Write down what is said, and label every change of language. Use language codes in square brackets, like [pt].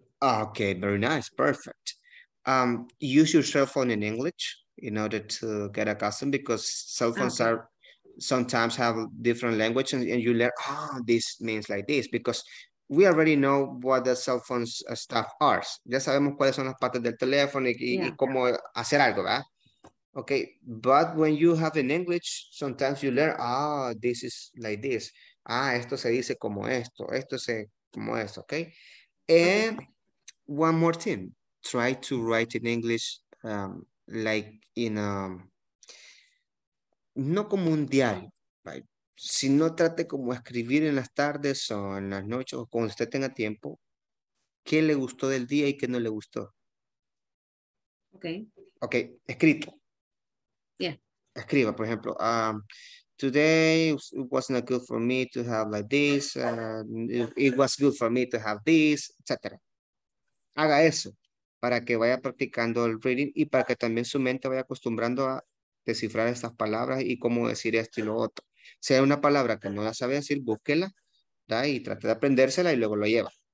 [en] Okay, very nice, perfect. Use your cell phone in English in order to get accustomed, because cell phones okay. are sometimes have different language and you learn, oh, this means like this, because we already know what the cell phones stuff are. [es] Ya sabemos cuáles son las partes del teléfono y, yeah, y cómo hacer algo, ¿verdad? [en] Okay, but when you have in English, sometimes you learn, oh, this is like this. [es] Ah, esto se dice como esto, esto se como esto, okay? [en] And okay, one more thing, try to write in English like in a, [es] no como un diario, [en] right? [es] Si no trate como escribir en las tardes o en las noches o cuando usted tenga tiempo, ¿qué le gustó del día y qué no le gustó? [en] Okay. [es] Okay, escrito. [en] Yeah. [es] Escriba, por ejemplo, [en] today it was not good for me to have like this, it was good for me to have this, etc. [es] Haga eso para que vaya practicando el reading y para que también su mente vaya acostumbrando a descifrar estas palabras y cómo decir esto y lo otro. Si hay una palabra que no la sabe decir, búsquela, ¿da? Y trate de aprendérsela y luego lo lleva.